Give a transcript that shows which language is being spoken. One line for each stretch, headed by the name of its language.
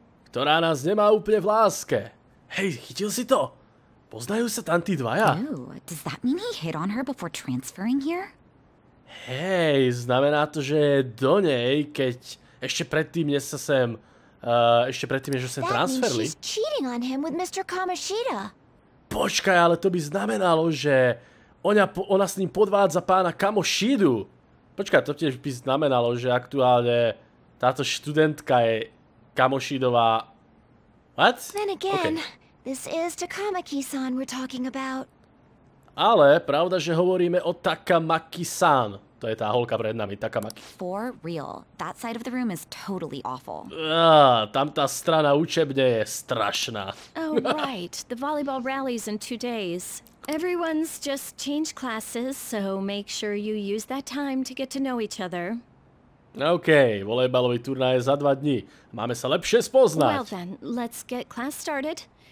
Slovak: Ktorá nás nemá úplne v láske. Hej, chytil si to? Poznajú sa tam tí dvaja?
English: Does that mean he hit on her before transferring here?
Slovak: Hej, znamená to, že do nej, keď ešte predtým, než sa sem, ešte predtým, než sa sem transferli.
English: She's cheating on him with Mr. Kamoshida.
Slovak: Počkaj, ale to by znamenalo, že ona s ním podvádza pána Kamoshidu. Počkaj, to tiež by znamenalo, že aktuálne táto študentka je Kamoshidová.
English: What? Then again, okay. This is Takamaki-san we're talking about.
Slovak: Ale pravda, že hovoríme o Takamaki-san. To je tá holka pred nami, Takamaki.
English: For real, that side of the room is totally awful.
Slovak: Tam tá strana učebne je strašná.
English: Oh right, the volleyball rallies in 2 days. Everyone's just changed classes, so make sure you use that time to get to know each other.
Slovak: OK, volejbalový turnaj je za 2 dní. Máme sa lepšie spoznať.
English: Well then, let's get class started.